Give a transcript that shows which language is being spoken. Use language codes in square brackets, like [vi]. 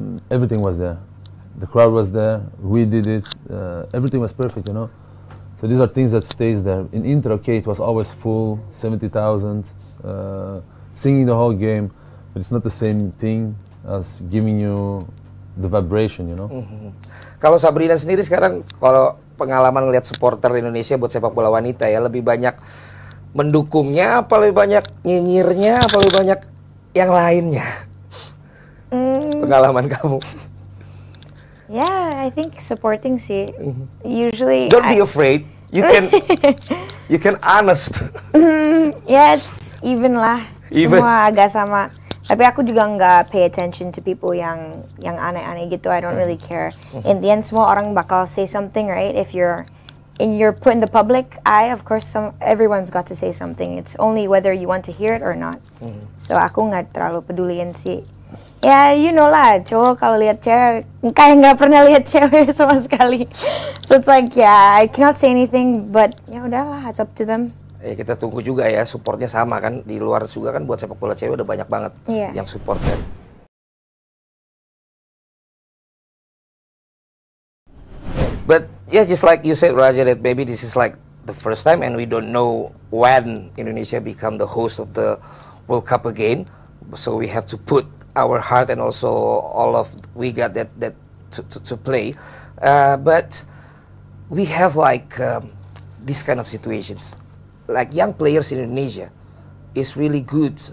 [en] Everything was there. The crowd was there, we did it, everything was perfect, you know. So these are things that stays there. In Inter, okay, it was always full, 70,000, singing the whole game, but it's not the same thing as giving you the vibration, you know. Mm-hmm. [id] Kalau Sabreena sendiri sekarang, kalau pengalaman ngeliat supporter Indonesia buat sepak bola wanita ya, lebih banyak mendukungnya, apa lebih banyak nyinyirnya, apa lebih banyak yang lainnya? Pengalaman kamu. [en] Yeah, I think supporting sih. Usually don't be afraid. You can you can honest. Yeah, it's even lah. [id] Semua agak sama. Tapi aku juga enggak [en] pay attention to people [id] yang aneh-aneh gitu. [en] I don't really care. In the end [id] semua orang bakal [en] say something, right? If you're put in the public eye, of course everyone's got to say something. It's only whether you want to hear it or not. [id] So aku enggak terlalu peduliin sih. Ya, [en] you know [id] lah, cowok kalau lihat cewek, kayak nggak pernah lihat cewek sama sekali. [en] So it's like, I cannot say anything, but [id] ya udahlah, [en] it's up to them. [id] Ya, kita tunggu juga ya, supportnya sama kan. Di luar juga kan buat sepak bola cewek udah banyak banget yang support kan. [en] But yeah, just like you said, Raja, that maybe this is like the first time and we don't know when Indonesia become the host of the World Cup again. So we have to put our heart and also all of we got that to play, but we have like this kind of situations, like young players in Indonesia is really good.